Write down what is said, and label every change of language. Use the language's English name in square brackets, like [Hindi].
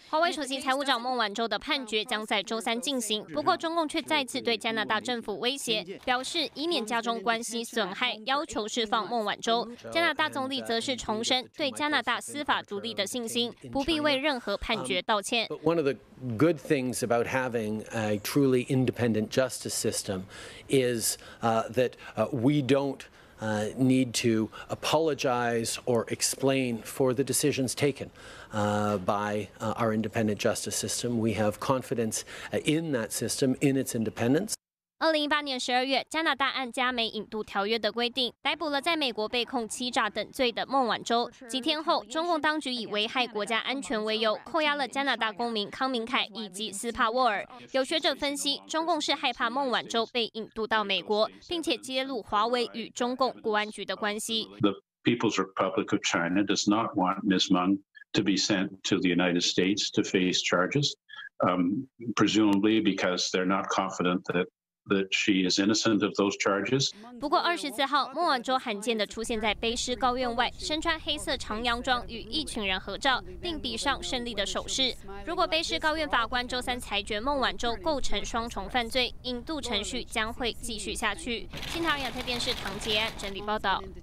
[Chinese] 华为首席财务长孟晚舟的判决将在周三进行，不过中共却再次对加拿大政府威胁，表示以免加中关系损害，要求释放孟晚舟。加拿大总理则是重申对加拿大司法独立的信心，不必为任何判决道歉。 [English] One of the good things about having a truly independent justice system is that we don't need to apologize or explain for the decisions taken by our independent justice system. We have confidence in that system, in its independence. [Chinese] 2018年12月，加拿大按加美引渡条约的规定，逮捕了在美国被控欺诈等罪的孟晚舟。几天后，中共当局以危害国家安全为由，扣押了加拿大公民康明凯以及斯帕沃尔。有学者分析，中共是害怕孟晚舟被引渡到美国，并且揭露华为与中共国安局的关系。 [English] The People's Republic of China does not want Ms. Meng to be sent to the United States to face charges, presumably because they're not confident that she is innocent of those charges. [Chinese] 不过24号，孟晚舟罕见地出现在卑诗高院外，身穿黑色长洋装与一群人合照，并比上胜利的手势。如果卑诗高院法官周三裁决孟晚舟构成双重犯罪，引渡程序将会继续下去。新唐人亚太电视唐杰安整理报道。